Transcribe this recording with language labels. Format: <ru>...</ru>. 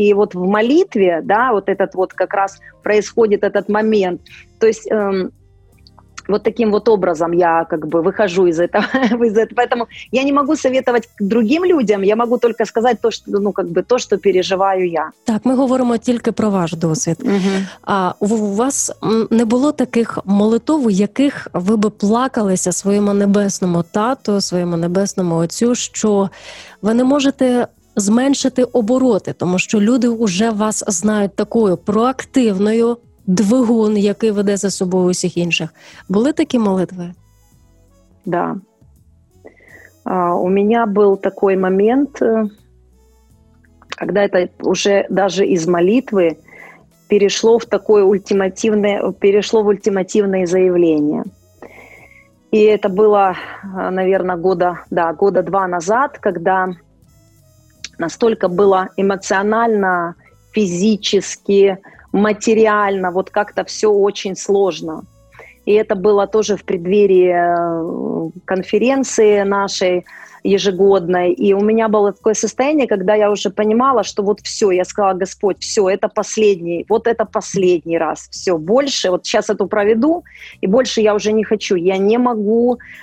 <ru>И вот в молитве, да, вот этот вот как раз происходит этот момент. То есть... вот таким вот образом я как бы выхожу из этого, из этого. Поэтому я не могу советовать другим людям, я могу только сказать то, что, ну, как бы, то, что переживаю я.</ru> <uk>Так, ми говоримо тільки про ваш досвід. Угу. А у вас не було таких молитв, у яких ви би плакалися своєму небесному тату, своєму небесному отцю, що ви не можете зменшити обороти, тому що люди вже вас знають такою проактивною, двигун, який веде за собою усіх інших. Були такі молитви? Так.</uk> <ru>Да.</ru> <uk>У мене був такий момент, коли це вже навіть із молитви перейшло в таке ультимативне, перейшло в ультимативне заявлення. І це було, мабуть, года два назад, коли настільки було емоціонально, фізично, материально,</uk> <ru>вот как-то все очень сложно. И это было тоже в преддверии конференции нашей ежегодной. И у меня было такое состояние, когда я уже понимала, что вот все, я сказала: «Господь, все, это последний, вот это последний раз, все, больше, вот сейчас эту проведу, и больше я уже не хочу, я не могу».</ru>